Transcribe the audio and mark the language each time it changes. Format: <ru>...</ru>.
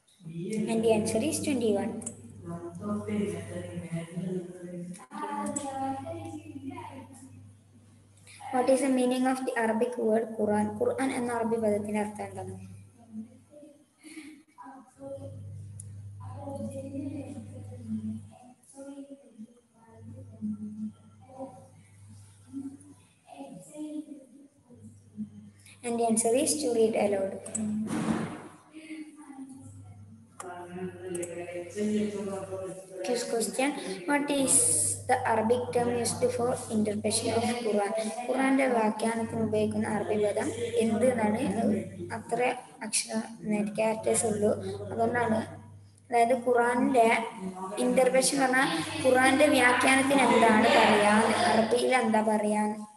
<en>And the answer is 21. What is the meaning of the Arabic word Quran?</en> <ml>Quran എന്ന അറബി പദത്തിന്റെ അർത്ഥം എന്താണ്?</ml> <en>And the answer is to read aloud. Next question, what is the Arabic term used for interpretation of Quran?</en> <ml>Quran's വാക്യാനത്തിന് ഉപയോഗിക്കുന്ന അറബി പദം എന്താണ്? അത്ര അക്ഷര ക്യാരക്ടേഴ്സ് ഉള്ളൂ, അതുകൊണ്ടാണ്. അതായത് ഖുറാന്റെ ഇന്റർപ്രഷൻ പറഞ്ഞാൽ ഖുറാന്റെ വ്യാഖ്യാനത്തിന് എന്താണ് പറയാൻ, അറബിയിൽ എന്താ പറയാൻ?</ml>